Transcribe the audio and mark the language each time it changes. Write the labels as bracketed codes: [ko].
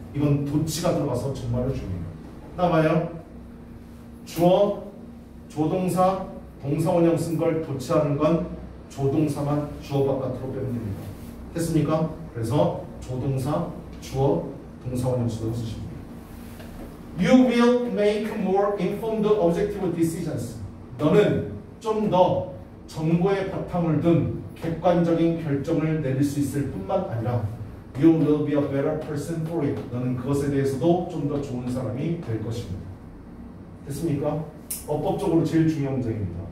[ko] 이건 도치가 들어가서 정말로 중요해요. 나봐요. 주어, 조동사, 동사원형 쓴 걸 도치하는 건 조동사만 주어 바깥으로 빼면 됩니다. 됐습니까? 그래서 조동사, 주어, 동사원형 쓴 걸 쓰십니다. [en] You will make more informed objective decisions. [ko] 너는 좀 더 정보의 바탕을 둔 객관적인 결정을 내릴 수 있을 뿐만 아니라 [en] You will be a better person for it. [ko] 너는 그것에 대해서도 좀 더 좋은 사람이 될 것입니다. 됐습니까? 어법적으로 제일 중요한 문장입니다.